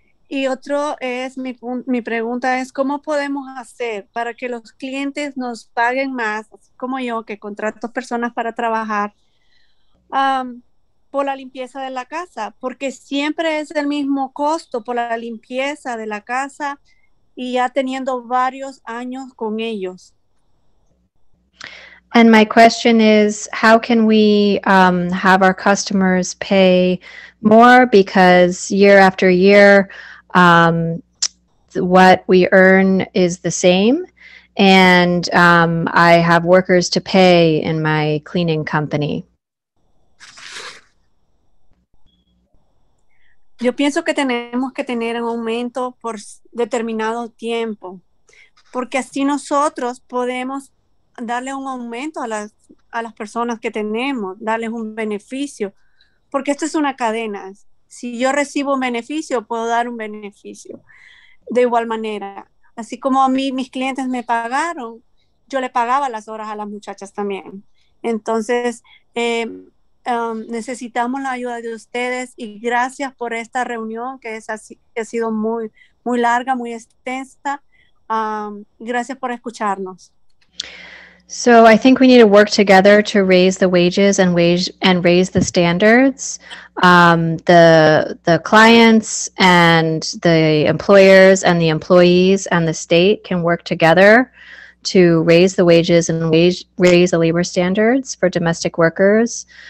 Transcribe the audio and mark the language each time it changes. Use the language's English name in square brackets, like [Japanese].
[Spanish] Y otro es, mi pregunta es, ¿cómo podemos hacer para que los clientes nos paguen más, como yo, que contrato personas para trabajar, por la limpieza de la casa? Porque siempre es el mismo costo por la limpieza de la casa y ya teniendo varios años con ellos. [English] And my question is, how can we have our customers pay more because year after year, what we earn is the same, and I have workers to pay in my cleaning company. [Spanish] Yo pienso que tenemos que tener un aumento por determinado tiempo, porque así nosotros podemos darle un aumento a las personas que tenemos, darles un beneficio, porque esto es una cadena. Si yo recibo un beneficio, puedo dar un beneficio de igual manera. Así como a mí, mis clientes me pagaron, yo le pagaba las horas a las muchachas también. Entonces, necesitamos la ayuda de ustedes y gracias por esta reunión que ha sido muy, muy larga, muy extensa. Gracias por escucharnos. [English] So I think we need to work together to raise the wages and raise the standards. The clients and the employers and the employees and the state can work together to raise the wages and raise the labor standards for domestic workers.